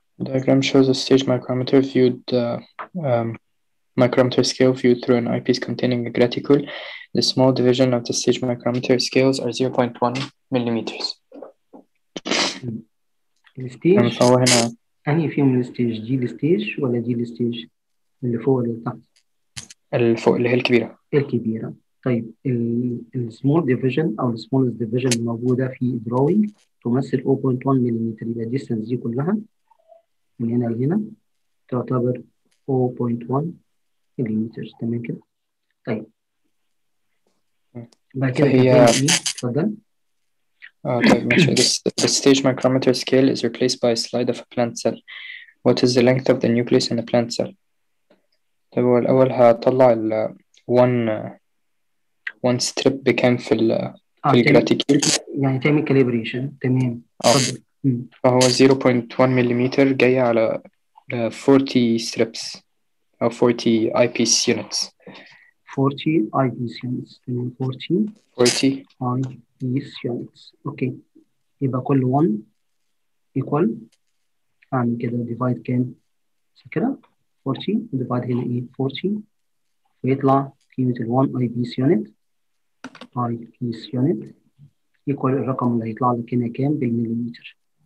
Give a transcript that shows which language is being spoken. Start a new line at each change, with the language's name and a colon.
English: Diagram shows a stage micrometer viewed micrometer scale viewed through an eyepiece containing a graticule. The small division of the stage micrometer scales are 0.1 millimeters.
Arabic: الستيج أنا فيهم الستيج دي الستيج ولا دي الستيج اللي فوق اللي تحت الفوق اللي هي الكبيرة الكبيرة طيب ال small division أو
English: the smallest division
Arabic: موجودة في drawing تمثل 0.1 millimeter يبقى distance دي كلها من هنا لهنا تعتبر 0.1 millimeter تمام كده طيب بعد كده هي اتفضل طيب ماشي
English: the stage micrometer scale is replaced by a slide of a plant cell what is the length of the nucleus in a plant cell
Arabic: طيب هو الأول هطلع ال one One strip بكام في ال الجراتيكيول يعني تعمل كاليبريشن تمام اتفضل فهو 0.1 مليمتر جاية على 40 strips أو 40 اي بيس يونتس 40 اي بيس يونتس تمام 40 40 اي بيس يونتس اوكي يبقى كل 1 ايكوال اعمل كده ديفايد كام صح كده 40 ديفايد هنا ايه 40 ويطلع قيمة ال 1 اي بيس يونت اي بيس يونت يكون الرقم اللي هيطلع لك هنا كام بالمليمتر؟